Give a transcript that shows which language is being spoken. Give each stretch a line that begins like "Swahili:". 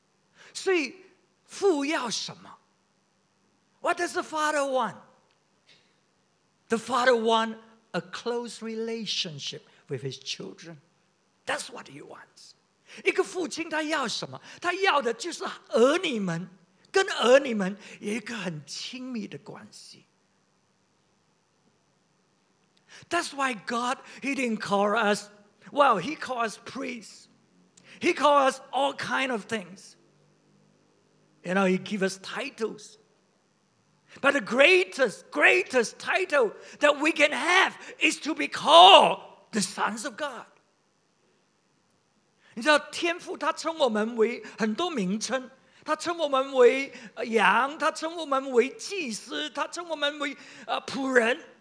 Chinese: 可是他的愤怒只是一片刻，因为他爱我们。所以父要什么?
English: What does the father want? The father wants a close relationship with his children. That's what he wants.
Chinese: 一个父亲他要什么? 他要的就是儿女们跟儿女们有一个很亲密的关系。
English: That's why God, he didn't call us, well, he called us priests. He called us all kinds of things. You know, he gave us titles. But the greatest title that we can have is to be called the sons of God.
Chinese: 你知道天父他称我们为很多名称, 他称我们为羊, 他称我们为祭司, 他称我们为仆人。